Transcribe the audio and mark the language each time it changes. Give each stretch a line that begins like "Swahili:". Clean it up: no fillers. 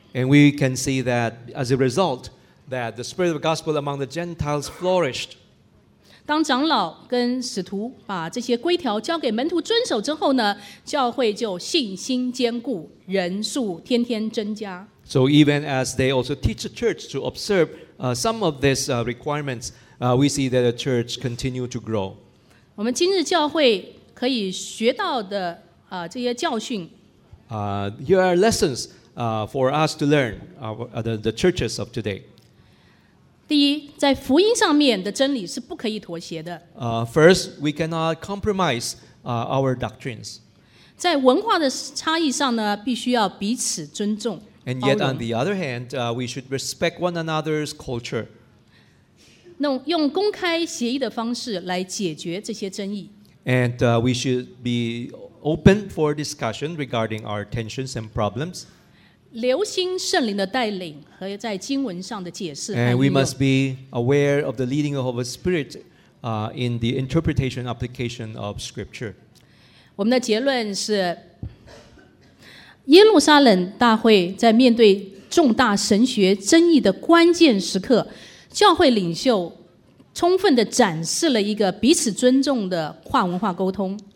English: And we can see that as a result, that the spread of the gospel among the Gentiles flourished.
Chinese: 当长老跟使徒把这些规条交给门徒遵守之后呢，教会就信心坚固，人数天天增加。
English: So even as they also teach the church to observe some of these requirements, we see that the church continue to grow.
Chinese: 我们今日教会可以学到的这些教训。
English: Here are lessons for us to learn the churches of today.
Chinese: 第一，在福音上面的真理是不可以妥协的。
English: First, we cannot compromise our doctrines.
Chinese: 在文化的差异上呢，必须要彼此尊重。
English: And yet, on the other hand, we should respect one another's culture.
Chinese: 用公开协议的方式来解决这些争议。
English: And we should be open for discussion regarding our tensions and problems.
Chinese: 留心圣灵的带领和在经文上的解释。
English: And we must be aware of the leading of the Spirit in the interpretation and application of Scripture.
Chinese: 我们的结论是，耶路撒冷大会在面对重大神学争议的关键时刻，教会领袖充分地展示了一个彼此尊重的跨文化沟通。